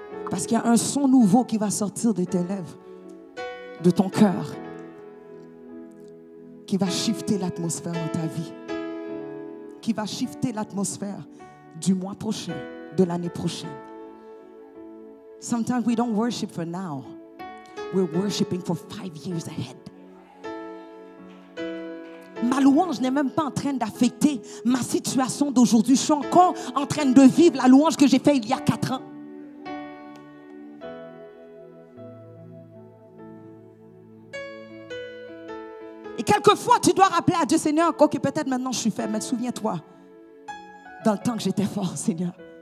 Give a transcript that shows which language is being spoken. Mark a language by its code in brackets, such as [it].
[fr] Parce qu'il y a un son nouveau qui va sortir de tes lèvres, de ton cœur, qui va shifter l'atmosphère dans ta vie, qui va shifter l'atmosphère du mois prochain, de l'année prochaine. [en] Sometimes we don't worship for now. We're worshiping for 5 years ahead. [fr] Ma louange n'est même pas en train d'affecter ma situation d'aujourd'hui. Je suis encore en train de vivre la louange que j'ai faite il y a 4 ans. Et quelquefois, tu dois rappeler à Dieu, Seigneur, ok, peut-être maintenant je suis faible, mais souviens-toi, dans le temps que j'étais fort, Seigneur.